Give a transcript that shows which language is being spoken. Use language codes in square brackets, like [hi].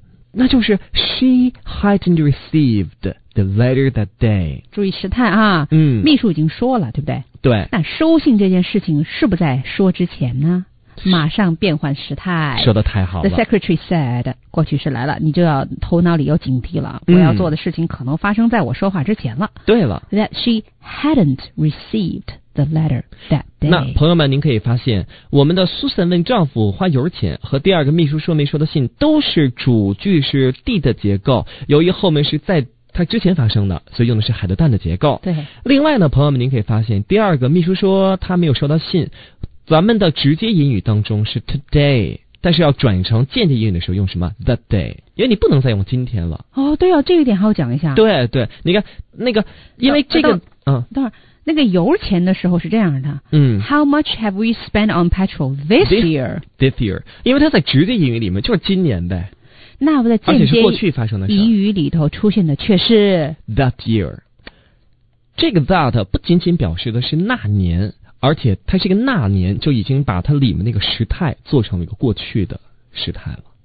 [zh] 那就是 [en] she hadn't received the letter that day。 [zh] 注意时态啊。嗯。秘书已经说了，对不对？对。那收信这件事情是不在说之前呢？马上变换时态。说得太好了。 [en] The secretary said， [zh] 过去式来了，你就要头脑里有警惕了。我要做的事情可能发生在我说话之前了。对了。 [en] That she hadn't received the letter that day。 [zh] 那朋友们，您可以发现，我们的 Susan 问丈夫花油钱和第二个秘书说没收的信，都是主句是 did 的结构，由于后面是在他之前发生的，所以用的是 had done 的结构。对。另外呢，朋友们，您可以发现，第二个秘书说他没有收到信。咱们的直接引语当中是 today， 但是要转成间接引语的时候用什么 that day， 因为你不能再用今天了。哦，对啊，这个点还要讲一下。对对，你看那个，因为这个，等会儿那个油钱的时候是这样的，嗯 [en] ，How much have we spent on petrol this year？ This year， [zh] 因为它在直接引语里面就是今年呗。那我在间接，而且是过去发生的事。引语里头出现的却是 [en] that year， [zh] 这个 that 不仅仅表示的是那年。而且它是一个那年，就已经把它里面那个时态做成了一个过去的时态了。